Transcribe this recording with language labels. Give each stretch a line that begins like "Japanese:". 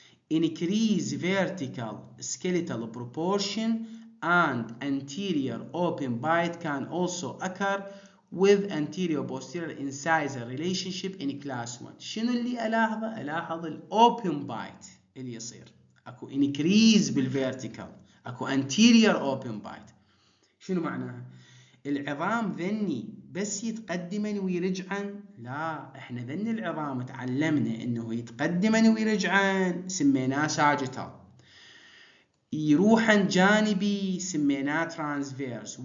English: increase vertical skeletal proportion and anterior open bite can also occur with anterior posterior incisor relationship in class 1.
Arabic: شنو اللي ألاحظه؟ ألاحظ الـ open bite اللي يصير. أكو increase بالvertical. أكو anterior open bite. شنو معناها؟ العظام ذني بس يتقدما ويرجعا؟ لا، احنا ذني العظام تعلمنا انه يتقدما ويرجعا سميناه ساجيتال، يروحا جانبي سميناه ترانسفيرس.